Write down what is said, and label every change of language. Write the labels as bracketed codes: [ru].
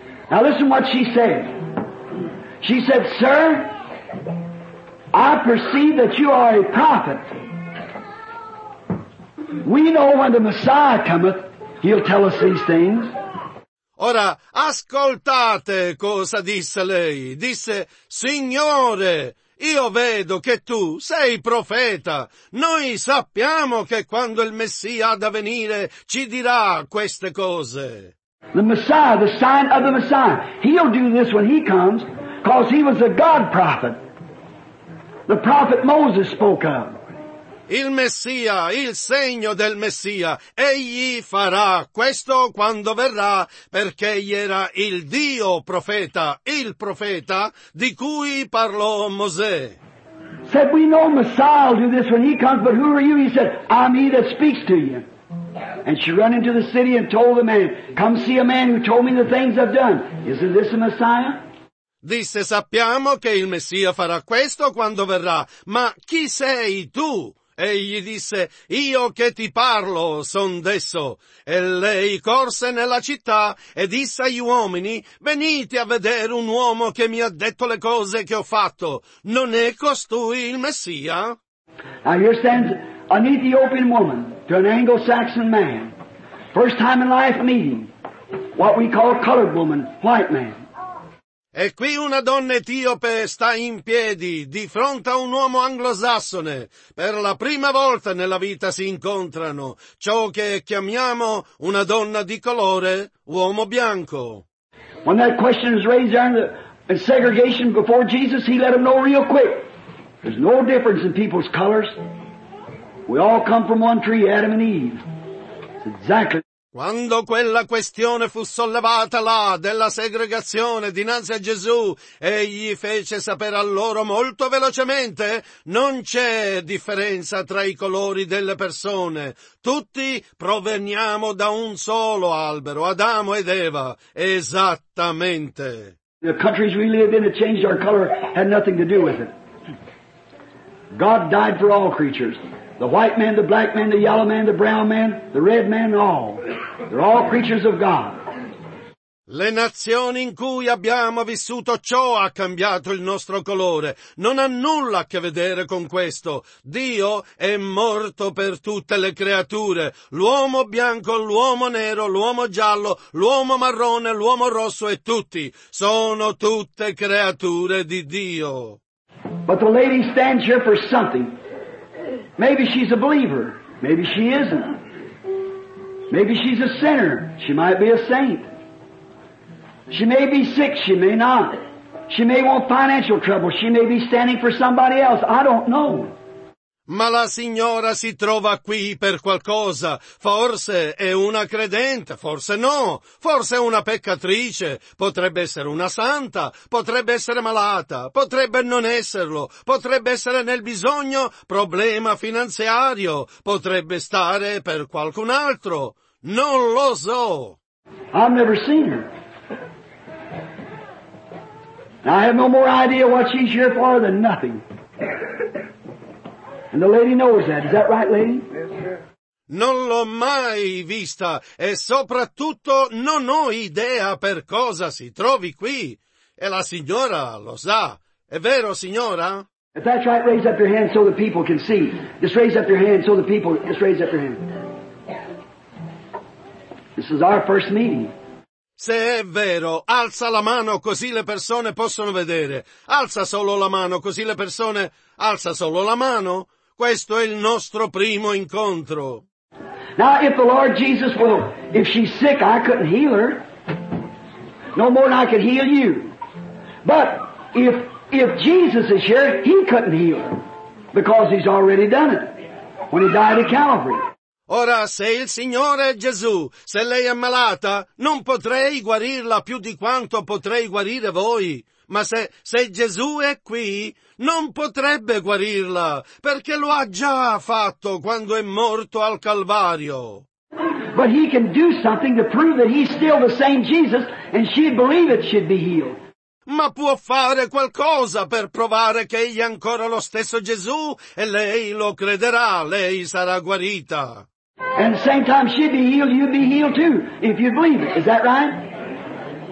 [en] Now listen what she said. She said, sir, I perceive that you are a prophet. We know when the Messiah cometh, he'll tell us these things. [it] Ora, ascoltate cosa disse lei. Disse, Signore, io vedo che tu sei profeta. Noi sappiamo che quando il Messia ha da venire ci dirà queste cose. [en] The Messiah, the sign of the Messiah. He'll do this when he comes, because he was a God prophet. The prophet Moses spoke of. [it] Il Messia, il segno del Messia, egli farà questo quando verrà, perché egli era il Dio profeta, il profeta di cui parlò Mosè. [en] Said, we know Messiah will do this when he comes, but who are you? He said, I'm he that speaks to you. And she ran into the city and told the man, come see a man who told me the things I've done. Isn't this a Messiah? [it] Disse, sappiamo che il Messia farà questo quando verrà, ma chi sei tu? Egli disse, io che ti parlo son desso. E lei corse nella città e disse agli uomini, venite a vedere un uomo che mi ha detto le cose che ho fatto. Non è costui il Messia? [en] Now here stands an Ethiopian woman to an Anglo-Saxon man. First time in life meeting. What we call colored woman, white man. [it] E qui una donna etiope sta in piedi di fronte a un uomo anglosassone. Per la prima volta nella vita si incontrano ciò che chiamiamo una donna di colore, uomo bianco. [en] When that question is raised there in segregation before Jesus, he let him know real quick. There's no difference in people's colors. We all come from one tree, Adam and Eve. It's exactly. [it] Quando quella questione fu sollevata là della segregazione dinanzi a Gesù, egli fece sapere a loro molto velocemente: non c'è differenza tra i colori delle persone. Tutti proveniamo da un solo albero, Adamo ed Eva. Esattamente. [en] The countries we live in that changed our color had nothing to do with it. God died for all creatures. The white man, the black man, the yellow man, the brown man, the red man, all. They're all creatures of God. [it] Le nazioni in cui abbiamo vissuto, ciò ha cambiato il nostro colore. Non ha nulla a che vedere con questo. Dio è morto per tutte le creature. L'uomo bianco, l'uomo nero, l'uomo giallo, l'uomo marrone, l'uomo rosso e tutti sono tutte creature di Dio. [en] But the lady stands here for something. Maybe she's a believer. Maybe she isn't. Maybe she's a sinner. She might be a saint. She may be sick. She may not. She may want financial trouble. She may be standing for somebody else. I don't know. [it] Ma la signora si trova qui per qualcosa. Forse è una credente, forse no. Forse è una peccatrice. Potrebbe essere una santa. Potrebbe essere malata. Potrebbe non esserlo. Potrebbe essere nel bisogno, problema finanziario. Potrebbe stare per qualcun altro. Non lo so. [en] I've never seen her. I have no more idea what she's here for than nothing. And the lady knows that. Is that right, lady? Yes, sir. [it] Non l'ho mai vista e soprattutto non ho idea per cosa si trovi qui. E la signora lo sa. È vero, signora? [en] If that's right, raise up your hand so the people can see. Just raise up your hand so the people... Just raise up your hand. This is our first meeting. [it] Se è vero, alza la mano così le persone possono vedere. Alza solo la mano così le persone... Alza solo la mano. Questo è il nostro primo incontro. [en] Now, if the Lord Jesus will... If she's sick, I couldn't heal her. No more than I could heal you. But if Jesus is here, he couldn't heal her. Because he's already done it. When he died at Calvary. [it] Ora, se il Signore è Gesù, se lei è malata, non potrei guarirla più di quanto potrei guarire voi. Ma se Gesù è qui, non potrebbe guarirla, perché lo ha già fatto quando è morto al Calvario. [en] But he can do something to prove that he's still the same Jesus, and she'd believe it, she'd be healed. [it] Ma può fare qualcosa per provare che egli è ancora lo stesso Gesù e lei lo crederà, lei sarà guarita. [en] And the same time she'd be healed, you'd be healed too, if you believe it. Is that right?